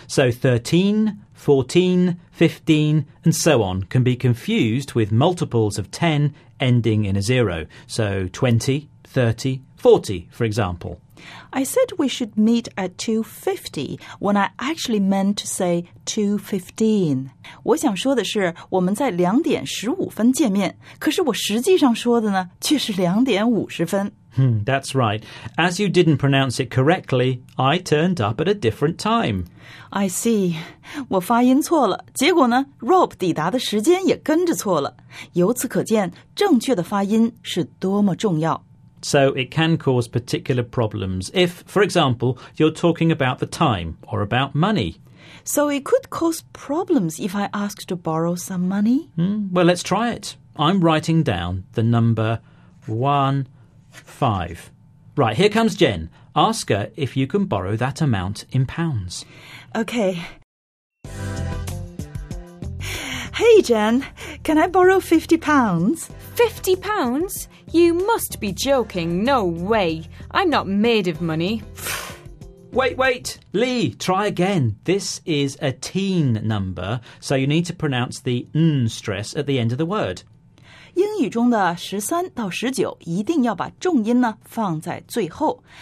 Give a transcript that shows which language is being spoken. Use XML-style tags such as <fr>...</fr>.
<en>So 13, 14, 15, and so on can be confused with multiples of 10 ending in a zero. So 20, 30, 40, for example. I said we should meet at 2:50 when I actually meant to say 2:15.</en> <zh>我想说的是我们在2点15分见面，可是我实际上说的呢却是2点50分。</zh> <en>That's right. As you didn't pronounce it correctly, I turned up at a different time. I see.</en> <zh>我发音错了，结果呢 Rob 抵达的时间也跟着错了。由此可见，正确的发音是多么重要。</zh> <en>So it can cause particular problems if, for example, you're talking about the time or about money. So it could cause problems if I ask to borrow some money? Well, let's try it. I'm writing down the number 1:5. Right, here comes Jen. Ask her if you can borrow that amount in pounds. Okay. Hey, Jen, can I borrow 50 pounds? 50 pounds? You must be joking. No way. I'm not made of money. Wait. Lee, try again. This is a teen number, so you need to pronounce the N stress at the end of the word.</en> <zh>英语中的13到19一定要把重音呢放在最后。</zh>